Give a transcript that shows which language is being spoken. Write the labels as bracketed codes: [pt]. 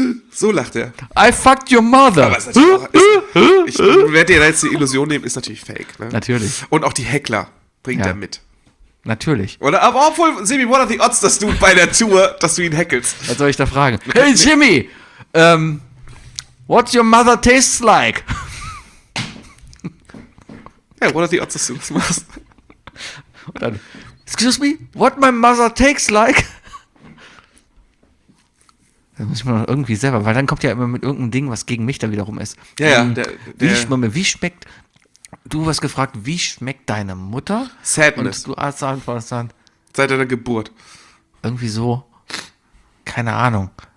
[de] So lacht er. [en] I fucked your mother. [de] Aber ich werde dir jetzt die Illusion nehmen, ist natürlich fake. Ne? Natürlich. Und auch die Heckler bringt er mit. Natürlich. Oder aber obwohl, Simi, [en] what are the odds, [de] dass du bei der Tour, dass du ihn heckelst? Was soll ich da fragen? [en] Hey Jimmy, what's your mother tastes like? Yeah, what are the odds, [de] dass du das machst? Und dann, [en] excuse me, what my mother takes like? [de] Dann muss ich mir noch irgendwie selber, weil dann kommt ja immer mit irgendeinem Ding, was gegen mich da wiederum ist. Ja, ja. Du hast gefragt, wie schmeckt deine Mutter? [en] Sadness. [de] Und du hast antwortest dann. Seit deiner Geburt. Irgendwie so. Keine Ahnung.